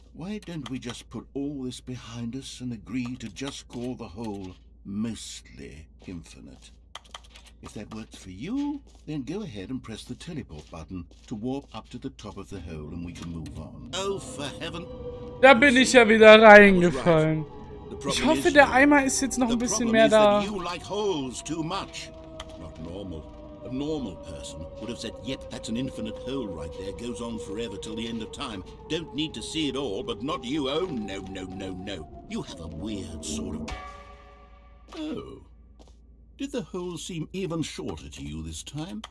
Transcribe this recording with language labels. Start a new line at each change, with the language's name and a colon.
English: Why don't we just put all this behind us and agree to just call the hole mostly infinite? If that works for you, then go ahead and press the teleport button to warp up to the top of the hole and we can move on. Oh, for heaven.
German: Da bin ich ja wieder reingefallen. Ich hoffe, der Eimer ist jetzt noch ein bisschen mehr da.
English: You like holes too much. Not normal. A normal person would have said, yep, that's an infinite hole right there, goes on forever till the end of time. Don't need to see it all, but not you. Oh, no, no, no, no. You have a weird sort of... Oh. Did the hole seem even shorter to you this time?